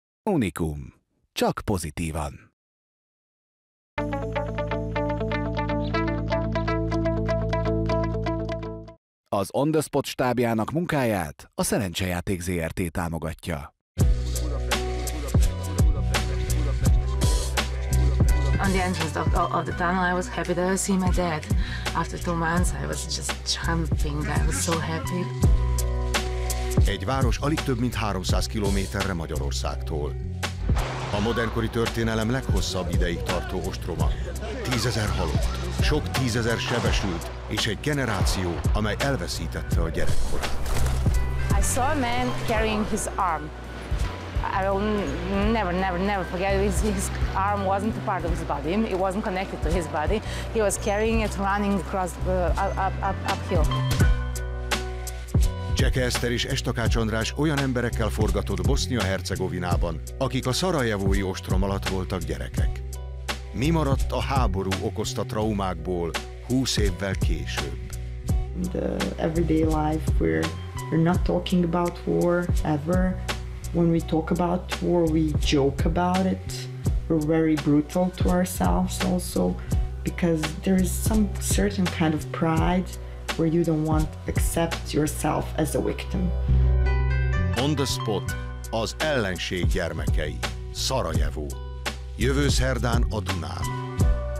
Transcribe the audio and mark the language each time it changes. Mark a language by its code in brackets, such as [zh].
[hu] Unikum. Csak pozitívan. Az On The Spot stábjának munkáját a Szerencsejáték ZRT támogatja. [en] On the entrance of the tunnel, I was happy that I see my dad. After 2 months, I was just jumping. I was so happy. [hu] Egy város alig több mint 300 kilométerre Magyarországtól. A modernkori történelem leghosszabb ideig tartó ostroma. Tízezer halott, sok tízezer sebesült, és egy generáció, amely elveszítette a gyerekkorát. [en] I saw a man carrying his arm. I will never forget. His arm wasn't a part of his body. It wasn't connected to his body. He was carrying it, running across uphill. [hu] Cseke Eszter és Takács András olyan emberekkel forgatott Bosznia-Hercegovinában, akik a szarajevói ostrom alatt voltak gyerekek. Mi maradt a háború okozta traumákból 20 évvel később? [en] The everyday life, we're not talking about war ever. When we talk about war, we joke about it. We're very brutal to ourselves also, because there is some certain kind of pride where you don't want to accept yourself as a victim. [hu] On the Spot, az ellenség gyermekei, Szarajevó. Jövő szerdán a Dunán.